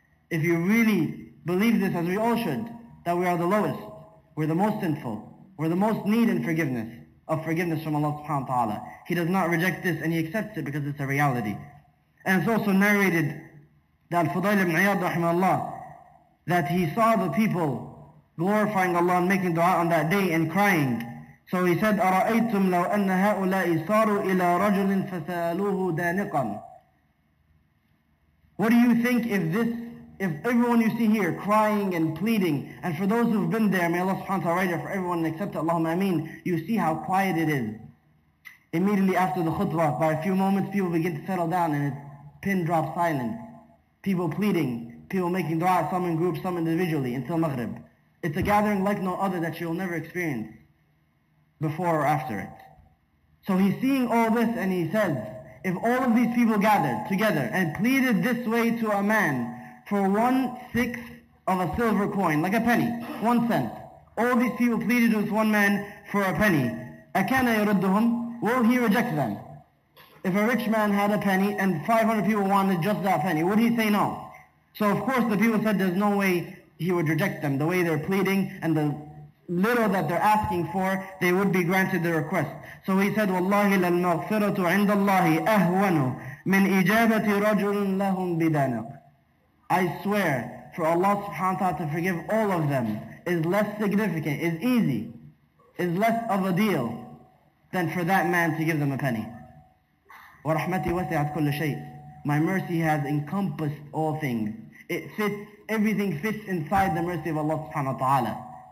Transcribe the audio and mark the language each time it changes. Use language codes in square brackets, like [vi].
[en] If you really believe this, as we all should, that we are the lowest, we're the most sinful, we're the most needing forgiveness, of forgiveness from Allah subhanahu wa ta'ala. He does not reject this and he accepts it because it's a reality. And it's also narrated that Al-Fudayl ibn Iyad rahimahullah, that he saw the people glorifying Allah and making dua on that day and crying. [ar] So he said, أَرَأَيْتُمْ لَوْ أَنَّ هَؤُلَاءِ صَارُوا إِلَىٰ رَجُلٍ فَسَأَلُوهُ دَانِقًا. [en] What do you think if this, if everyone you see here crying and pleading, and for those who've been there, may Allah subhanahu wa ta'ala write it for everyone and accept it, Allahumma ameen, you see how quiet it is. Immediately after the khutbah, by a few moments, people begin to settle down and it's pin drop silent. People pleading, people making dua, some in groups, some individually, until Maghrib. It's a gathering like no other that you'll never experience before or after it. So he's seeing all this and he says, if all of these people gathered together and pleaded this way to a man for 1/6 of a silver coin, like a penny, 1 cent, all these people pleaded with one man for a penny, [ar] أَكَانَ يَرُدُّهُمْ, [en] will he reject them? If a rich man had a penny and 500 people wanted just that penny, would he say no? So of course the people said there's no way he would reject them, the way they're pleading and the little that they're asking for, they would be granted the request. [ar] So he said, وَاللَّهِ لَلْمَغْفِرَةُ عِنْدَ اللَّهِ أَهْوَنُ مِنْ إِجَابَةِ رَجُلٌ لَهُمْ بِدَانِقٍ. [en] I swear, for Allah subhanahu wa ta'ala to forgive all of them is less significant, is easy, is less of a deal than for that man to give them a penny. [ar] وَرَحْمَتِي وَسِعَتْ كُلُّ شَيْءٍ. [en] My mercy has encompassed all things. It fits, everything fits inside the mercy of Allah subhanahu wa ta'ala.